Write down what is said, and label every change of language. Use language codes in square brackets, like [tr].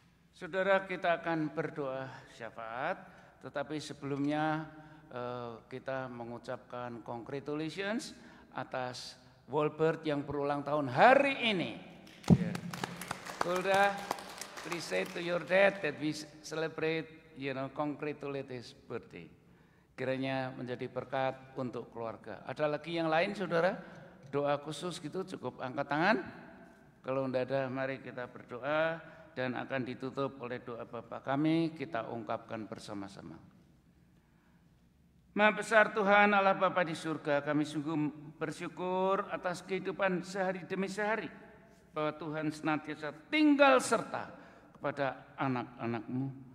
[id] Saudara, kita akan berdoa syafaat, tetapi sebelumnya kita mengucapkan congratulations atas Wolbert yang berulang tahun hari ini. [en] Hulda, please say to your dad that we celebrate, you know, congratulate his birthday. [id] Kiranya menjadi berkat untuk keluarga. Ada lagi yang lain, saudara? Doa khusus gitu, cukup angkat tangan. Kalau tidak ada, mari kita berdoa dan akan ditutup oleh doa Bapa kami. Kita ungkapkan bersama-sama. Maha besar Tuhan Allah Bapa di surga, kami sungguh bersyukur atas kehidupan sehari demi sehari, bahwa Tuhan senantiasa tinggal serta pada anak-anak-Mu.